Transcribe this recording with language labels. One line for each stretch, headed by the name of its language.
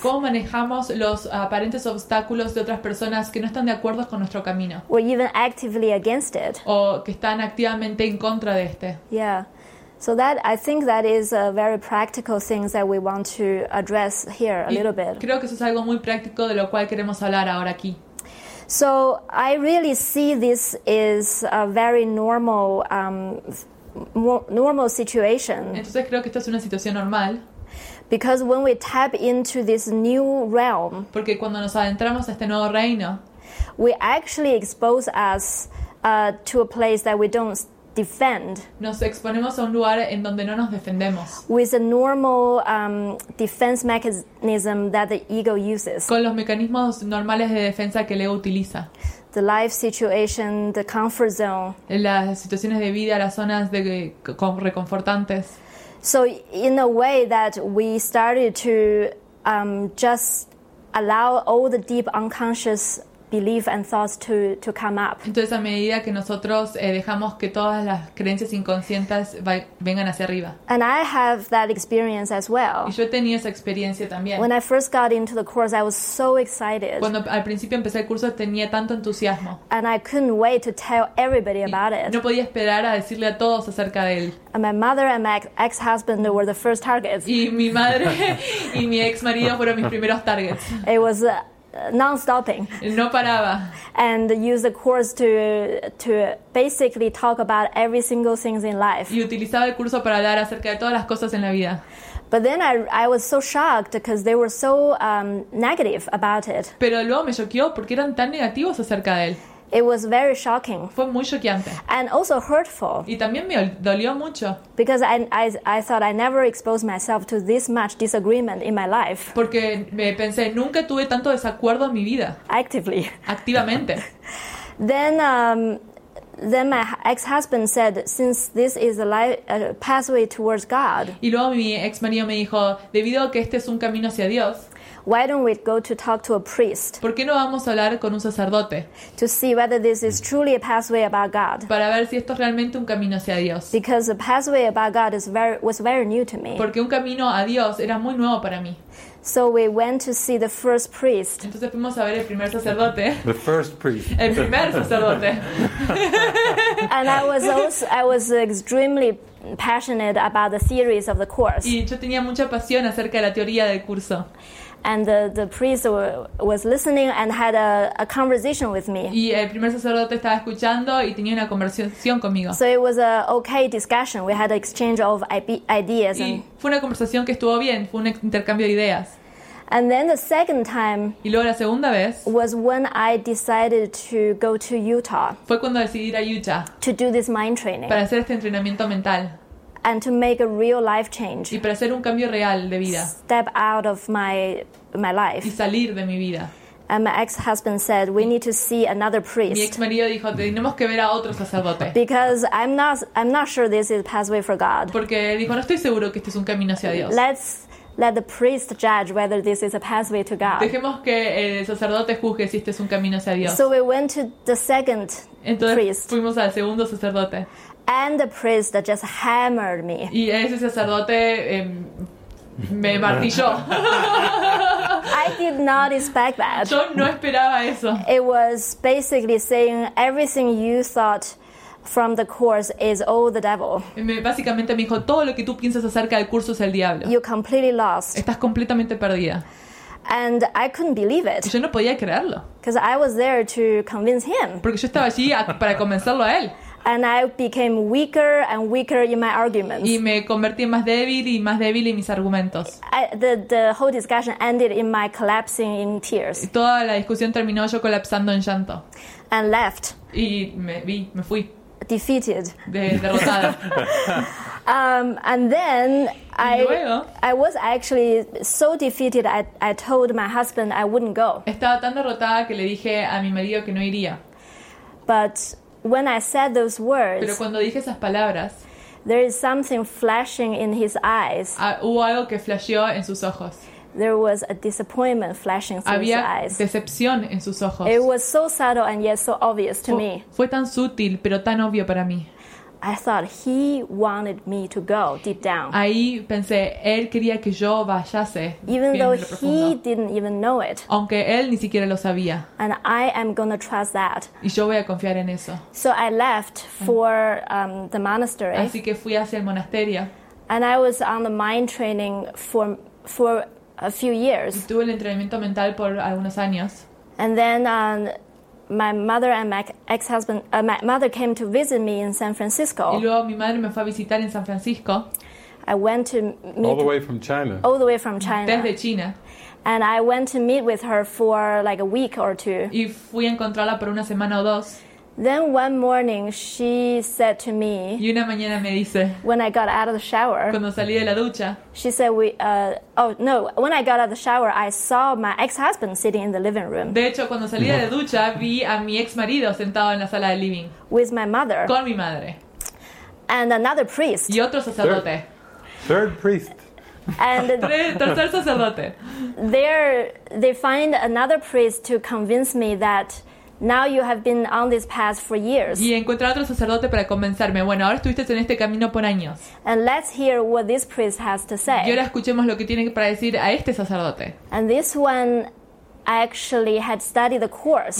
Spanish: ¿Cómo manejamos los aparentes obstáculos de otras personas que no están de acuerdo con nuestro camino?
English: Or even actively against it.
Spanish: O que están activamente en contra de este.
English: Yeah. So that, I think that is a very practical thing that we want to address here a little bit.
Spanish: Creo que eso es algo muy práctico de lo cual queremos hablar ahora aquí.
English: So I really see this is a very normal normal situation.
Spanish: Entonces creo que esta es una situación normal.
English: Because when we tap into this new realm,
Spanish: porque cuando nos adentramos a este nuevo reino,
English: we actually expose us to a place that we don't defend.
Spanish: Nos exponemos a un lugar en donde no nos defendemos.
English: With a normal defense mechanism that the ego uses.
Spanish: Con los mecanismos normales de defensa que el ego utiliza.
English: The life situation, the comfort zone.
Spanish: En las situaciones de vida, las zonas de reconfortantes.
English: So in a way that we started to just allow all the deep unconscious belief and thoughts to come up.
Spanish: Entonces a medida que nosotros dejamos que todas las creencias inconscientes vengan hacia arriba.
English: And I have that experience as well.
Spanish: Y yo tenía esa experiencia también.
English: When I first got into the course, I was so excited.
Spanish: Cuando al principio empecé el curso tenía tanto entusiasmo.
English: And I couldn't wait to tell everybody about it.
Spanish: No podía esperar a decirle a todos acerca de él.
English: And my mother and my ex-husband were the first targets.
Spanish: Y mi madre y mi ex marido fueron mis primeros targets.
English: It was non-stopping.
Spanish: No paraba.
English: And use the course to basically talk about every single thing in life.
Spanish: Y utilizaba el curso para hablar acerca de todas las cosas en la vida.
English: But then I was so shocked because they were so negative about it.
Spanish: Pero luego me choqueó porque eran tan negativos acerca de él.
English: It was very shocking.
Spanish: Fue muy choqueante.
English: And also hurtful.
Spanish: Y también me dolió mucho.
English: Because I thought I never exposed myself to this much disagreement in my life.
Spanish: Porque me pensé, nunca tuve tanto desacuerdo en mi vida.
English: Actively.
Spanish: Activamente.
English: Then my ex-husband said, since this is a pathway towards God.
Spanish: Y luego mi ex marido me dijo, debido a que este es un camino hacia Dios.
English: Why don't we go to talk to a priest?
Spanish: ¿Por qué no vamos a hablar con un sacerdote?
English: To see whether this is truly a pathway about God.
Spanish: Para ver si esto es realmente un camino hacia Dios.
English: Because a pathway about God was very new to me.
Spanish: Porque un camino a Dios era muy nuevo para mí.
English: So we went to see the first priest.
Spanish: Entonces fuimos a ver el primer sacerdote.
English: The first priest.
Spanish: El primer sacerdote.
English: And I was extremely passionate about the theories of the course.
Spanish: Y yo tenía mucha pasión acerca de la teoría del curso.
English: And the priest was listening and had a conversation with me.
Spanish: Y el primer sacerdote estaba escuchando y tenía una conversación conmigo.
English: So it was a okay discussion. We had an exchange of ideas.
Spanish: Y fue una conversación que estuvo bien. Fue un intercambio de ideas.
English: And then the second time.
Spanish: Y luego la segunda vez.
English: Was when I decided to go to Utah.
Spanish: Fue cuando decidí ir a Utah.
English: To do this mind training.
Spanish: Para hacer este entrenamiento mental.
English: And to make a real life change.
Spanish: Y para hacer un cambio real de vida.
English: Step out of my life.
Spanish: Y salir de mi vida.
English: And my ex-husband said, we need to see another priest.
Spanish: Mi ex-marido dijo, tenemos que ver a otro sacerdote.
English: Because I'm not sure this is a pathway for God.
Spanish: Porque dijo, no estoy seguro que este es un camino hacia Dios.
English: Let's let the priest judge whether this is a pathway to God.
Spanish: Dejemos que el sacerdote juzgue si este es un camino hacia Dios.
English: So we went to the second
Spanish: Entonces,
English: priest.
Spanish: Entonces fuimos al segundo sacerdote.
English: And the priest that just hammered me.
Spanish: Y ese sacerdote me martilló.
English: I did not expect that.
Spanish: Yo no esperaba eso.
English: It was basically saying everything you thought from the course is all the devil.
Spanish: Básicamente me dijo, todo lo que tú piensas acerca del curso es el diablo.
English: You're completely lost.
Spanish: Estás completamente perdida.
English: And I couldn't believe it.
Spanish: Yo no podía creerlo.
English: Because I was there to convince him.
Spanish: Porque yo estaba allí para convencerlo a él.
English: And I became weaker and weaker in my arguments.
Spanish: Y me convertí en más débil en mis argumentos.
English: The whole discussion ended in my collapsing in tears.
Spanish: Y toda la discusión terminó yo colapsando en llanto.
English: And left.
Spanish: Y me fui.
English: Defeated.
Spanish: Derrotada.
English: And then
Spanish: luego,
English: I was actually so defeated. I told my husband I wouldn't go.
Spanish: Estaba tan derrotada que le dije a mi marido que no iría.
English: But when I said those words,
Spanish: pero cuando dije esas palabras,
English: There is something flashing in his eyes.
Spanish: Hubo algo que flasheó en sus ojos.
English: There was a disappointment flashing through
Spanish: Había
English: his eyes.
Spanish: Había decepción en sus ojos.
English: It was so subtle and yet so obvious to me.
Spanish: Fue tan sutil, pero tan obvio para mí.
English: I thought he wanted me to go deep down.
Spanish: Ahí pensé, él quería que yo vayase.
English: Even though he didn't even know it.
Spanish: Aunque él ni siquiera lo sabía.
English: And I am going to trust that.
Spanish: Y yo voy a confiar en eso.
English: So I left for the monastery.
Spanish: Así que fui hacia el monasterio.
English: And I was on the mind training for a few years.
Spanish: Y tuve el entrenamiento mental por algunos años.
English: And then my mother and my ex-husband, my mother came to visit me in San Francisco.
Spanish: Y luego mi madre me fue a visitar en San Francisco.
English: I went to meet all the way from China. All the way from China.
Spanish: Desde China.
English: And I went to meet with her for like a week or two.
Spanish: Y fui a encontrarla por una semana o dos.
English: Then one morning she said to me.
Spanish: Y una mañana me dice.
English: When I got out of the shower.
Spanish: Cuando salí de la ducha.
English: She said when I got out of the shower I saw my ex-husband sitting in the living room.
Spanish: De hecho, cuando salí de la ducha vi a mi ex marido sentado en la sala de living.
English: With my mother.
Spanish: Con mi madre.
English: And another priest.
Spanish: Y otro sacerdote.
English: Third priest. And
Spanish: tercer sacerdote.
English: They find another priest to convince me that now you have been on this path for years.
Spanish: Y encontrar otro sacerdote para convencerme. Bueno, ahora estuviste en este camino por años.
English: And let's hear what this priest has to say.
Spanish: Y ahora escuchemos lo que tiene para decir a este sacerdote.
English: And this one, I actually had studied the course.